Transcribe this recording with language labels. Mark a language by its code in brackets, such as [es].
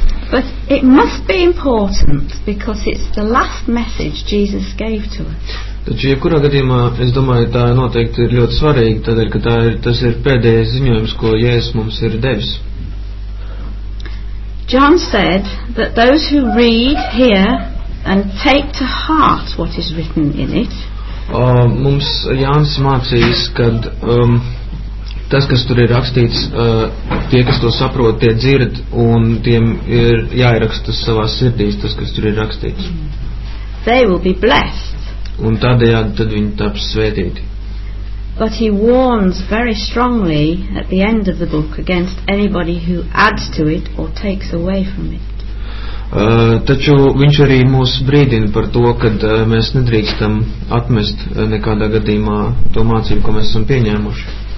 [en] But it must be important because it's the last message Jesus gave to us. [lv] Taču, jebkurā gadījumā, es domāju, tā noteikti ir ļoti svarīga, tādēļ, ka tas ir pēdējais ziņojums, ko Jēzus mums ir devis. [en] John said that those who read, hear and take to heart what is written in it. [lv] Mums Jānis mācīs, kad tas, kas tur ir rakstīts, tie, kas to saprot, tie dzird, un tiem ir jāieraksta savā sirdīs, tas, kas tur ir rakstīts. [en] They will be blessed. [lv] Un tādējādi tad viņi taps svētīti. [en] But he warns very strongly at the end of the book against anybody who adds to it or takes away from it. [lv] Taču viņš arī mūs brīdina par to, kad mēs nedrīkstam atmest nekādā gadījumā to mācību, ko mēs esam pieņēmuši.